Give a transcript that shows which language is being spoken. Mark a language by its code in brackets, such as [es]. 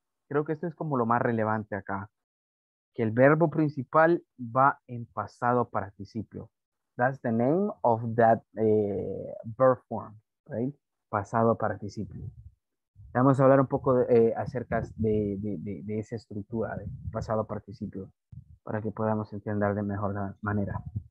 [es] Creo que esto es como lo más relevante acá, que el verbo principal va en pasado participio. [en] That's the name of that verb form, right? [es] Pasado participio. Vamos a hablar un poco acerca de esa estructura de pasado participio para que podamos entender de mejor manera.